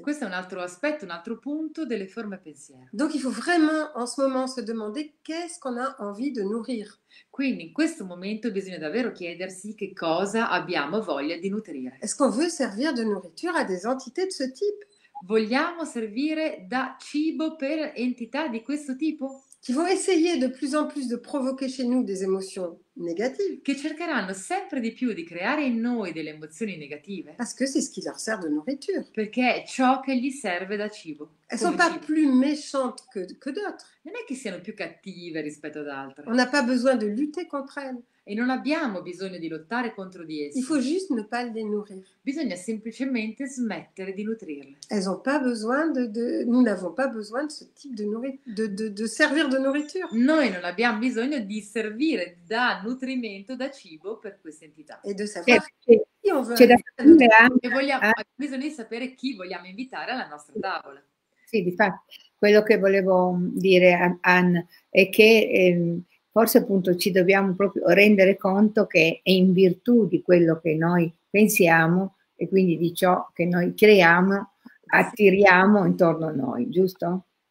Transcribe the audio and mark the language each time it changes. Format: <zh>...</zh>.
<it>Questo è un altro aspetto, un altro punto delle forme pensiero.</it> <fr>Donc il faut vraiment en ce moment se demander qu'est-ce qu'on a envie de nourrir.</fr> <it>Quindi in questo momento bisogna davvero chiedersi che cosa abbiamo voglia di nutrire.</it> <fr>Est-ce qu'on veut servir de nourriture à des entités de ce type?</fr> <it>Vogliamo servire da cibo per entità di questo tipo?</it> <fr>Qui vont essayer de plus en plus de provoquer chez nous des émotions négatives.</fr> <it>Che cercheranno sempre di più di creare in noi delle emozioni negative.</it> <fr>Parce que c'est ce qui leur sert de nourriture.</fr> <it>Perché è ciò che gli serve da cibo.</it> <fr>Elles sont pas plus méchantes que d'autres.</fr> <it>Non è che siano più cattive rispetto ad altre.</it> <fr>On n'a pas besoin de lutter contre elles.</fr> <it>E non abbiamo bisogno di lottare contro di esse.</it> <fr>Il faut juste ne pas les nourrir.</fr> <it>Bisogna semplicemente smettere di nutrirle.</it> <fr>Elles ont pas besoin nous n'avons pas besoin de ce type de nourriture, de servir de nourriture.</fr> <it>Noi non abbiamo bisogno di servire da nutrimento, da cibo per queste entità.</it> <fr>Et de savoir qui on veut.</fr> <it>C'è da aggiungere anche. E vogliamo, bisogna sapere chi vogliamo invitare alla nostra tavola. Sì, di fatto, quello che volevo dire a Anne è che forse appunto ci dobbiamo proprio rendere conto che è in virtù di quello che noi pensiamo e quindi di ciò che noi creiamo, attiriamo intorno a noi, giusto?</it>